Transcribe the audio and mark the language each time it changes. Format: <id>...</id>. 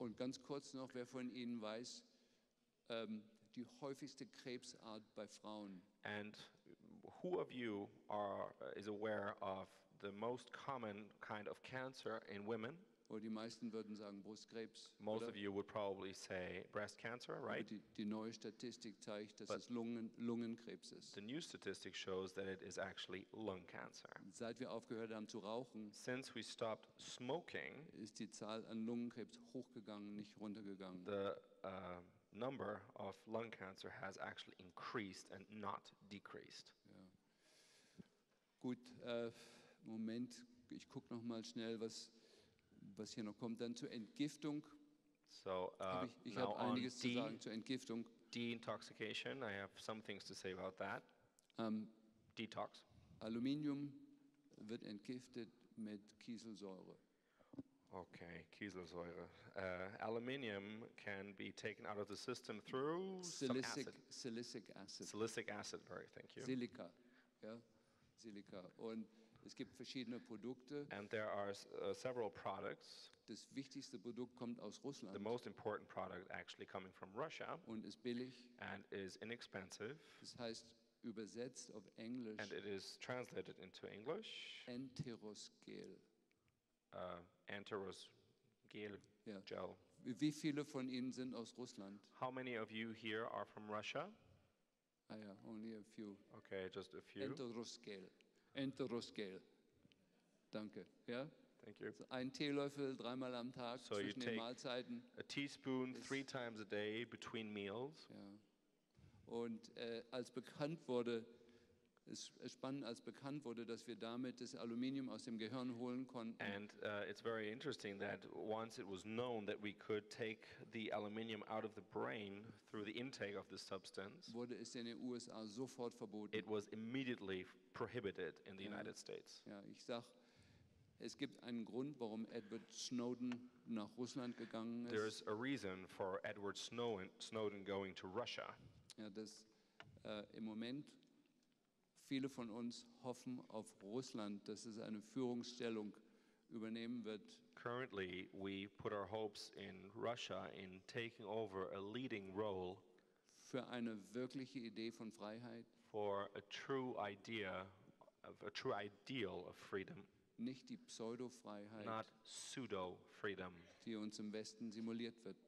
<de>Und ganz kurz noch, wer von Ihnen weiß, die häufigste Krebsart bei Frauen.</de> <en>And who of you is aware of the most common kind of cancer in women?</en> <de>Oder die meisten würden sagen Brustkrebs.</de> <en>Most</en> <de>oder?</de> <en>Of you would probably say breast cancer, right?</en> <de>Die neue Statistik zeigt, dass es Lungenkrebs ist.</de> <en>The new statistic shows that it is actually lung cancer.</en> <de>Seit wir aufgehört haben zu rauchen,</de> <en>since we stopped smoking,</en> <de>ist die Zahl an Lungenkrebs hochgegangen, nicht runtergegangen.</de> <en>The number of lung cancer has actually increased and not decreased.</en> <de>Ja. Gut, Moment, ich guck noch mal schnell, was hier noch kommt, dann zur Entgiftung.</de> <en>So,</en> <de>ich habe einiges zu sagen zur Entgiftung.</de> <en>Deintoxication, I have some things to say about that. Detox.</en> <de>Aluminium wird entgiftet mit Kieselsäure.</de> <en>Okay, Kieselsäure. Aluminium can be taken out of the system through Silicic acid. Silicic acid, very, thank you. Silica, ja, Silica.</en> <de>Und es gibt verschiedene Produkte.</de> <en>And there are several products.</en> <de>Das wichtigste Produkt kommt aus Russland.</de> <en>The most important product actually coming from Russia.</en> <de>Und ist billig.</de> <en>And is inexpensive.</en> <de>Das heißt übersetzt auf Englisch.</de> <en>And it is translated into English. Enterosgel. Enterosgel gel.</en> <de>Wie viele von Ihnen sind aus Russland?</de> <en>How many of you here are from Russia?</en> <de>Ah ja,</de> <en>only a few. Okay, just a few.</en> <de>Enterosgel. Enterosgel. Danke. Ja?</de> <en>Thank you.</en> <de>Ein Teelöffel dreimal am Tag</de> <en>so</en> <de>zwischen den Mahlzeiten.</de> <en>A teaspoon three times a day between meals.</en> <de>Ja. Und als bekannt wurde, es ist spannend, als bekannt wurde, dass wir damit das Aluminium aus dem Gehirn holen konnten.</de> <en>And it's very interesting that once it was known that we could take the aluminium out of the brain through the intake of the substance,</en> <de>wurde es in den USA sofort verboten.</de> <en>It was immediately prohibited in the United States.</en> <de>Ja, ich sag, es gibt einen Grund, warum Edward Snowden nach Russland gegangen ist.</de> <en>There is a reason for Edward Snowden going to Russia.</en> <de>Ja, das im Moment viele von uns hoffen auf Russland, dass es eine Führungsstellung übernehmen wird.</de> <en>Currently, we put our hopes in Russia in taking over a leading role</en> <de>für eine wirkliche Idee von Freiheit.</de> <en>For a true idea, a true ideal of freedom.</en> <de>Nicht die Pseudo-Freiheit,</de> <en>not pseudo-freedom,</en> <de>die uns im Westen simuliert wird.</de>